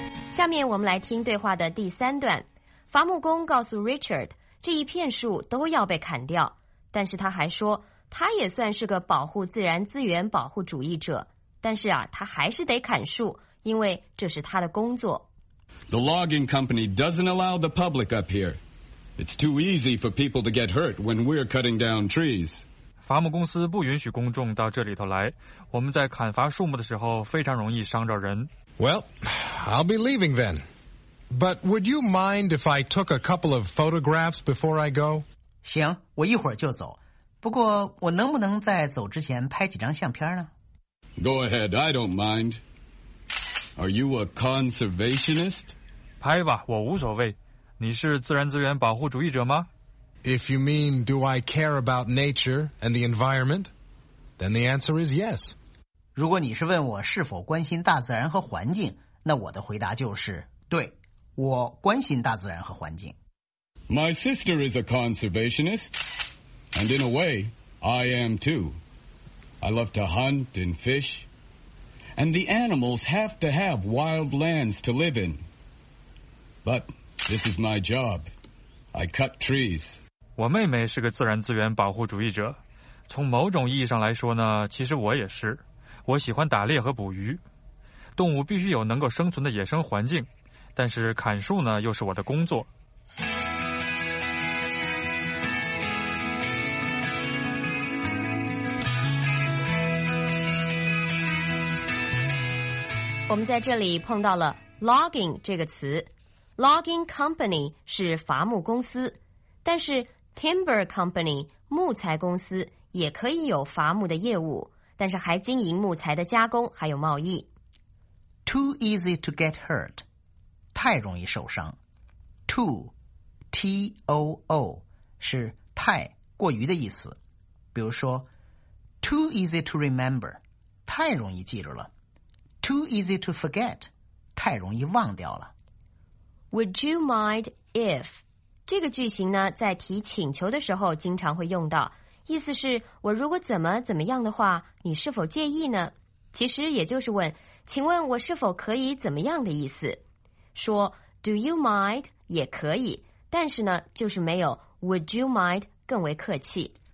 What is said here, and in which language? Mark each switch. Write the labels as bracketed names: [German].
[Chinese] 下面我们来听对话的第三段。伐木工告诉 Richard， 这一片树都要被砍掉，但是他还说，他也算是个保护自然资源保护主义者，但是啊，他还是得砍树，因为这是他的工作。 [English] The logging company doesn't allow the public up here. It's too easy for people to get hurt when we're cutting down trees. [Chinese] 伐木公司不允许公众到这里头来，我们在砍伐树木的时候非常容易伤着人。 [English] Well, I'll be leaving then. But would you mind if I took a couple of photographs before I go? [Chinese] 行，我一会儿就走。不过我能不能在走之前拍几张相片呢？ [English] Go ahead, I don't mind. Are you a conservationist? [Chinese] 拍吧，我无所谓。你是自然资源保护主义者吗？ [English] If you mean do I care about nature and the environment, then the answer is yes. [Chinese] 如果你是问我是否关心大自然和环境，那我的回答就是，对，我关心大自然和环境。 [English] My sister is a conservationist, and in a way, I am too. I love to hunt and fish, and the animals have to have wild lands to live in. But this is my job. I cut trees. [Chinese] 我妹妹是个自然资源保护主义者，从某种意义上来说呢，其实我也是。我喜欢打猎和捕鱼，动物必须有能够生存的野生环境，但是砍树呢，又是我的工作。我们在这里碰到了 logging 这个词。Logging company 是伐木公司，但是 timber company 木材公司也可以有伐木的业务，但是还经营木材的加工还有贸易。 [English] Too easy to get hurt， 太容易受伤。 [Chinese] Too， T-O-O， 是太过于的意思。比如说 ， [English] Too easy to remember， [Chinese] 太容易记住了。 [English] Too easy to forget， [Chinese] 太容易忘掉了。 [English] Would you mind if [Chinese] 这个句型呢，在提请求的时候经常会用到，意思是我如果怎么怎么样的话，你是否介意呢？其实也就是问，请问我是否可以怎么样的意思。说 [English] Do you mind [Chinese] 也可以，但是呢，就是没有 [English] Would you mind [Chinese] 更为客气。